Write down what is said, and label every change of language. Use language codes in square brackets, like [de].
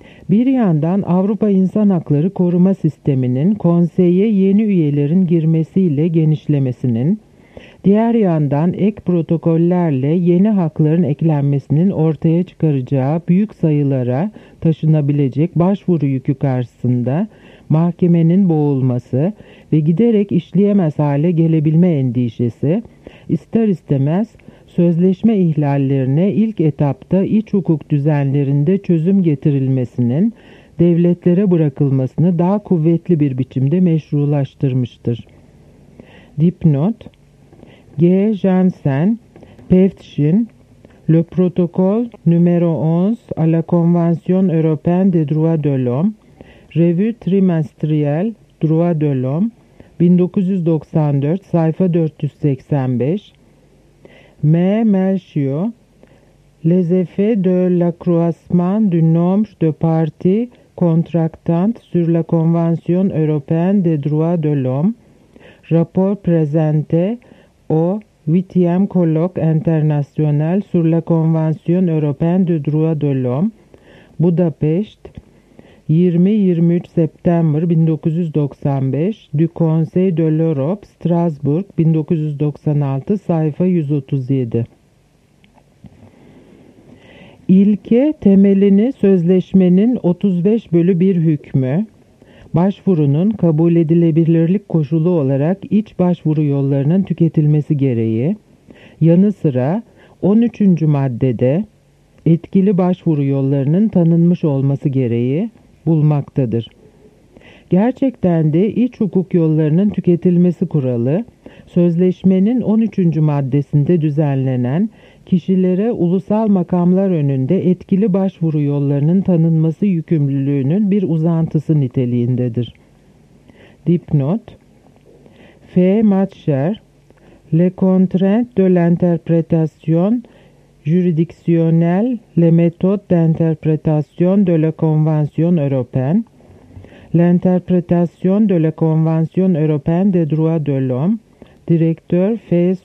[tr] Bir yandan Avrupa İnsan Hakları Koruma Sistemi'nin konseye yeni üyelerin girmesiyle genişlemesinin, diğer yandan ek protokollerle yeni hakların eklenmesinin ortaya çıkaracağı büyük sayılara taşınabilecek başvuru yükü karşısında mahkemenin boğulması ve giderek işleyemez hale gelebilme endişesi, ister istemez sözleşme ihlallerine ilk etapta iç hukuk düzenlerinde çözüm getirilmesinin devletlere bırakılmasını daha kuvvetli bir biçimde meşrulaştırmıştır. Dipnot, G. [fr] Janssen, Peftchin, Le Protocole numéro 11 à la Convention européenne des droits de l'homme, Revue trimestrielle Droits de l'homme, 1994, sayfa 485, M. Melchior, Les effets de l'accroissement du nombre de parties contractantes sur la Convention européenne des droits de l'homme, rapport présenté au 8e colloque international sur la Convention européenne des droits de l'homme, Budapest, 20-23 September 1995, Du Conseil de l'Europe, Strasbourg 1996, sayfa 137. [tr] İlke temelini sözleşmenin 35/1 hükmü, başvurunun kabul edilebilirlik koşulu olarak iç başvuru yollarının tüketilmesi gereği, yanı sıra 13. maddede, etkili başvuru yollarının tanınmış olması gereği bulmaktadır. Gerçekten de iç hukuk yollarının tüketilmesi kuralı, sözleşmenin 13. maddesinde düzenlenen kişilere ulusal makamlar önünde etkili başvuru yollarının tanınması yükümlülüğünün bir uzantısı niteliğindedir. Dipnot F. [fr] Matcher, Le Contrat de l'Interprétation Juridictionnelle, Le Méthode d'Interprétation de la Convention Européenne, L'Interprétation de la Convention Européenne des Droits de l'Homme, Direktör F.